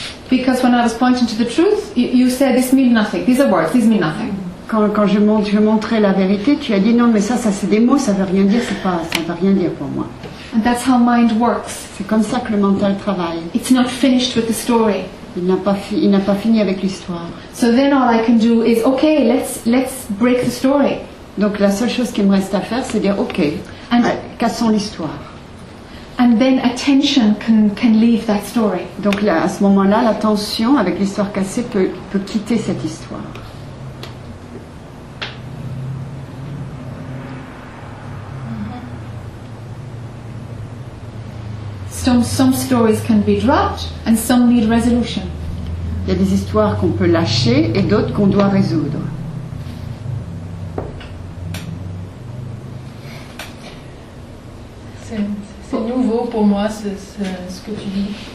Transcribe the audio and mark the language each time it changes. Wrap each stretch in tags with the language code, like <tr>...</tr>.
<en>Because when I was pointing to the truth, you said this means nothing. These are words, these mean nothing.</en> <fr>Quand je montrais la vérité, tu as dit non mais ça c'est des mots, ça veut rien dire, ça veut rien dire pour moi.</fr> <en>And that's how mind works.</en> <fr>C'est comme ça que le mental travaille.</fr> <en>It's not finished with the story.</en> <fr>Il n'a pas fini avec l'histoire.</fr> <en>So then all I can do is okay, let's break the story.</en> <fr>Donc la seule chose qui me reste à faire, c'est dire okay, and cassons l'histoire.</fr> <en>And then attention can leave that story.</en> <fr>Donc là, à ce moment-là, l'attention avec l'histoire cassée peut quitter cette histoire.</fr> <en>Some stories can be dropped and some need resolution.</en> <fr>Il y a des histoires qu'on peut lâcher et d'autres qu'on doit résoudre. C'est nouveau pour moi ce que tu dis.</fr>